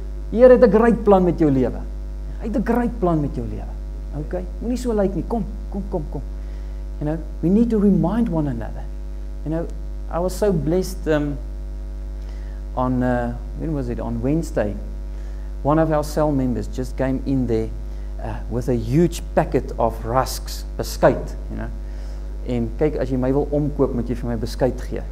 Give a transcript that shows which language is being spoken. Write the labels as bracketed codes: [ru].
[af] Heer het 'n great plan met jou lewe. Hy het 'n great plan met jou lewe. Okay, moet nie so lyk nie, kom. [en] You know, we need to remind one another. You know, I was so blessed on Wednesday. One of our cell members just came in there with a huge packet of rusks, beskuit, you know. [af] En kyk, as jy my wil omkoop, moet jy vir my beskuit gee.